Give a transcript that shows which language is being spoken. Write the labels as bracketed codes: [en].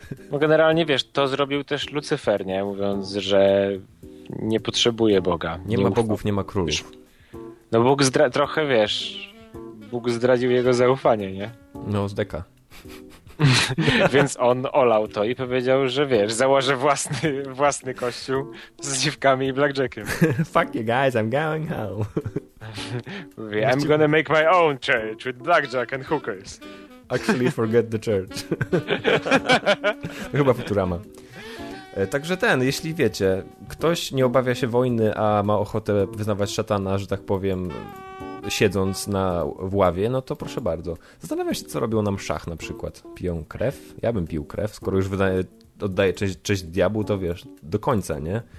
[pl] Bo generalnie, wiesz, to zrobił też Lucyfer, nie? Mówiąc, że nie potrzebuje Boga. Nie ma bogów, nie ma królów. No Bóg trochę, wiesz, Bóg zdradził jego zaufanie, nie? No, z deka. Więc on olał to i powiedział, że wiesz, założę własny kościół z dziwkami i blackjackiem. [en] Fuck you guys, I'm going home. [pl] Mówi, [en] I'm gonna make my own church with blackjack and hookers. Actually, forget the church. [pl] Chyba Futurama. Także ten, jeśli wiecie, ktoś nie obawia się wojny, a ma ochotę wyznawać szatana, że tak powiem, siedząc w ławie, no to proszę bardzo. Zastanawiam się, co robią na mszach na przykład. Piją krew? Ja bym pił krew, skoro już oddaję cześć diabłu, to wiesz, do końca, nie?